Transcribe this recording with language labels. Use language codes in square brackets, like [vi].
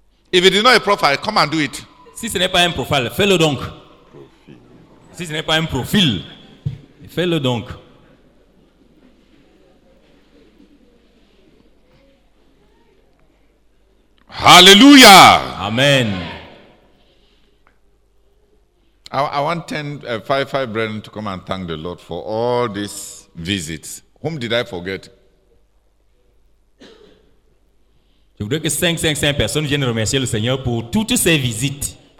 [en] If it is not a profile, come and do it. [fr] Si ce n'est pas un profil, fais-le donc. Si ce n'est pas un profil, fais-le donc. [en] Hallelujah. Amen. I want 10 5 brethren to come and thank the Lord for all this. Visits. Whom did I forget? [fr] Je voudrais que 5 personnes viennent remercier le Seigneur pour toutes ces visites.